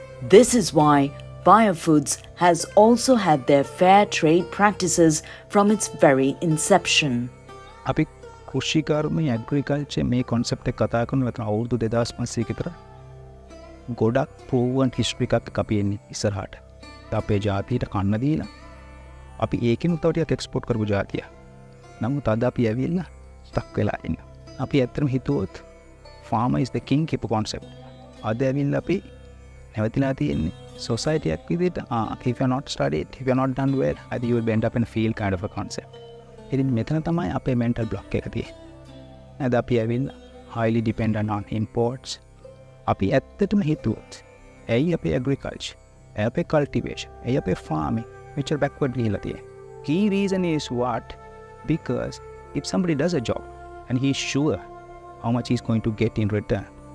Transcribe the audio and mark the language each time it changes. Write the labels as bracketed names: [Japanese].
[English] This is why Biofoods has also had their fair trade practices from its very inception. [Sinhala] අපි කෘෂිකර්මයේ agriculture මේ concept එක කතා කරනකොට අවුරුදු 2500 කතර ගොඩක් proven history එකක් අපි එන්නේ ඉස්සරහට. අපේ ජාතියට කන්න දීලා අපි ඒකෙන් උත්තර ටිකක් export කරපු ජාතිය. නමුත් අද අපි ඇවිල්ලා stuck වෙලා ඉන්නවා. අපි ඇත්තටම හිතුවොත් [English] farmer is the king [Sinhala] කියපු concept. අද ඇවිල්ලා අපි නැවතිලා තියෙන්නේ society එකක් විදිහට [English] if you are not studied, if you are not done well, either you will end up in a field kind of a concept. [Sinhala] ඉතින් මෙතන තමයි අපේ mental block එක තියෙන්නේ. අද අපි ඇවිල්ලා [English] highly dependent on imports. [Sinhala] අපි ඇත්තටම හිතුවොත් ඇයි අපේ agriculture අපේ cultivation, අපේ farming, මෙච්චර backward ගිහිලා තියෙන්නේ. [English] Key reason is what? Because if somebody does a job and he is sure how much he is going to get in return.